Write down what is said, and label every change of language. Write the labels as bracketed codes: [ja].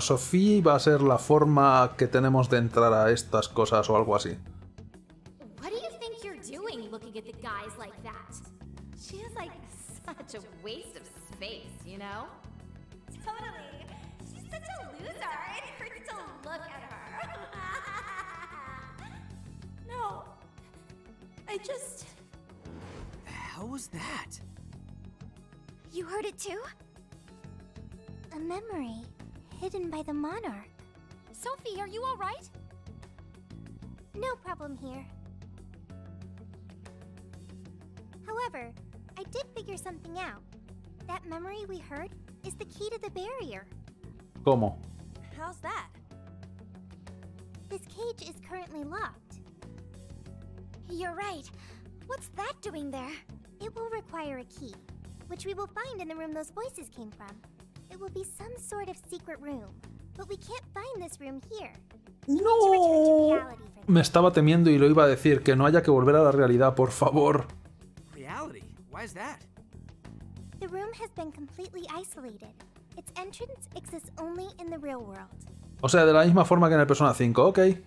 [es] Sophie va a ser la forma que tenemos de entrar a estas cosas o algo así. [en] What do you think you're doing looking at the guys like that? She is like such a waste of space, you know? Totally. She's such a loser. It hurts to look at her. No. I just... How was that? You heard it too? A memory hidden by the monarch. Sophie, are you all right? No problem here. However, I did figure something out. That memory we heard is the key to the barrier. [es] ¿Cómo? [en] How's that? This cage is currently locked. You're right. What's that doing there? It will require a key. Which we will find in the room those voices came from. It will be some sort of secret room, but we can't find this room here. No. [es] Me estaba temiendo y lo iba a decir, que no haya que volver a la realidad, por favor. [en] Reality? Why is that? The room has been completely isolated. Its entrance exists only in the real world. [es] O sea, de la misma forma que en el Persona 5, ¿ok?